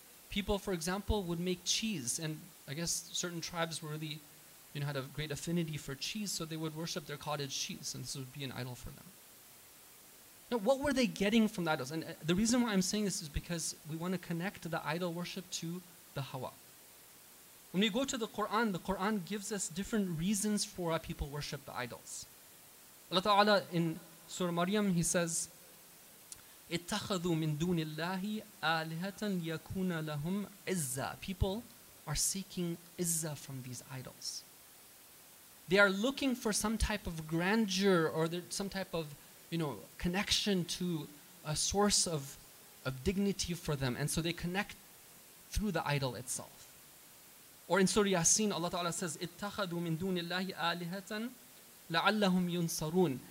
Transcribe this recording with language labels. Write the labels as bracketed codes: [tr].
[en] people, for example, would make cheese, and I guess certain tribes were really, you know, had a great affinity for cheese, so they would worship their cottage cheese, and this would be an idol for them. Now, what were they getting from the idols? And the reason why I'm saying this is because we want to connect the idol worship to the hawa. When we go to the Quran gives us different reasons for why people worship the idols. Allah Ta'ala in Surah Maryam, he says, [ar] اتخذوا من دون الله آلهة ليكون لهم عزة. [en] People are seeking izzah from these idols. They are looking for some type of grandeur or some type of, you know, connection to a source of dignity for them. And so they connect through the idol itself. Or in Surah Yasin, Allah Ta'ala says, [ar] اتخذوا من دون الله آلهة لعلهم ينصرون.